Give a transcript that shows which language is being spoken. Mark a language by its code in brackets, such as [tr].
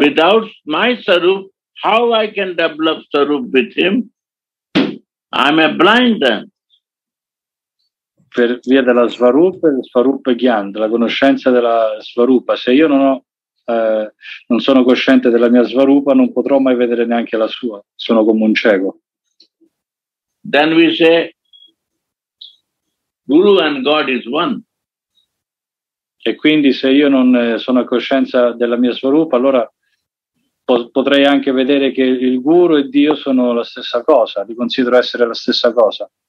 [en] Without my sarup, how I can develop sarup with him? I'm a blind then. [it] Per via della svarupa, svarupa gyan, della conoscenza della svarupa. Se io non ho non sono cosciente della mia svarupa, non potrò mai vedere neanche la sua, sono come un cieco. [en] Then we say Guru and God is one. [it] E quindi se io non sono a coscienza della mia svarupa, allora potrei anche vedere che il Guru e Dio sono la stessa cosa, li considero essere la stessa cosa.